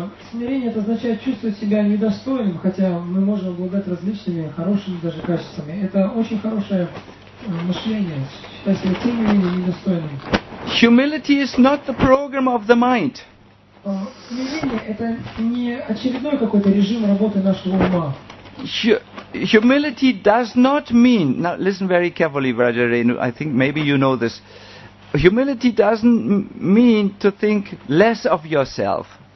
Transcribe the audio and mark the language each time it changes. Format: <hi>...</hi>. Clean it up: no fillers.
<ru>Смирение это означает чувствовать себя недостойным, хотя мы можем обладать различными хорошими даже качествами. Это очень хорошее мышление, считать себя тем или иным недостойным.</ru> <en>Humility is not the program of the mind.</en> <ru>Смирение это не очередной какой-то режим работы нашего ума.</ru> <en>Humility does not mean, now listen very carefully, Vrajarenu, I think maybe you know this. Humility doesn't mean to think less of yourself.</en>